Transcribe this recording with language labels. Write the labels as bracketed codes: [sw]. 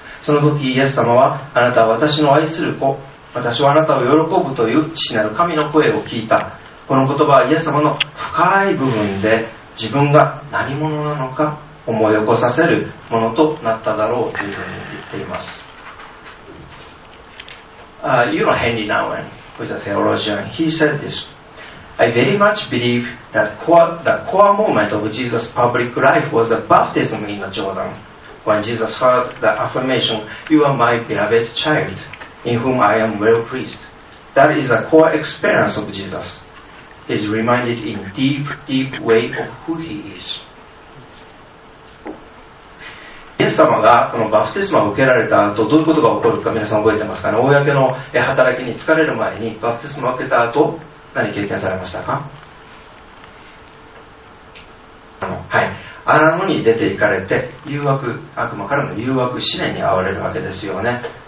[ja] その時イエス様はあなたは私の愛する子、私はあなたを喜ぶという父なる神の声を聞いた。この言葉はイエス様の深い部分で自分が何者なのか思い起こさせるものとなっただろうというふうに言っています。 [en] You know Henry Nouwen, who is a theologian, he said this: I very much believe that the core moment of Jesus' public life was the baptism in the Jordan, when Jesus heard the affirmation, You are my beloved child, in whom I am well pleased. That is a core experience of Jesus. is reminded in deep, deep way of who he is. [ja] イエス様がこのバプテスマを受けられた後どういうことが起こるか皆さん覚えてますかね。公の働きに疲れる前にバプテスマを受けた後何経験されましたか。はい、アラノに出て行かれて誘惑、悪魔からの誘惑試練に遭われるわけですよね。